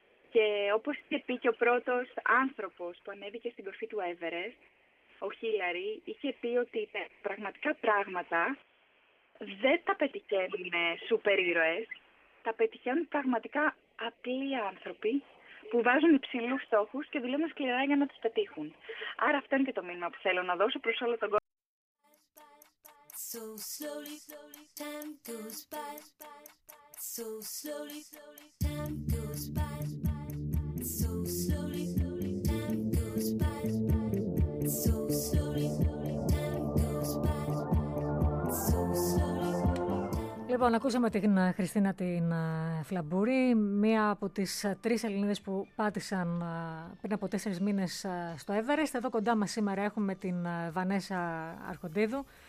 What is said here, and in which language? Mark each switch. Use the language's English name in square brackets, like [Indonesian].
[Greek] Και όπως είχε πει και ο πρώτος άνθρωπος που ανέβηκε στην κορφή του Everest, ο Χίλαρη, είχε πει ότι πραγματικά πράγματα δεν τα πετυχαίνουν σούπερ ήρωες, τα πετυχαίνουν πραγματικά απλοί άνθρωποι που βάζουν υψηλούς στόχους και δουλεύουν σκληρά για να τους πετύχουν. Άρα αυτό είναι και το μήνυμα που θέλω να δώσω προς όλο τον κόσμο. [English] So slowly, slowly, time goes by. So slowly, slowly, time goes by. So slowly, slowly, time goes by. So slowly, slowly, time goes by. So slowly. [Greek] Λοιπόν, ακούσαμε την Χριστίνα την Φλαμπούρη, μία από τις τρεις Ελληνίδες που πάτησαν πριν από 4 μήνες στο Everest. Εδώ κοντά μας σήμερα έχουμε την Βανέσα Αρχοντίδου.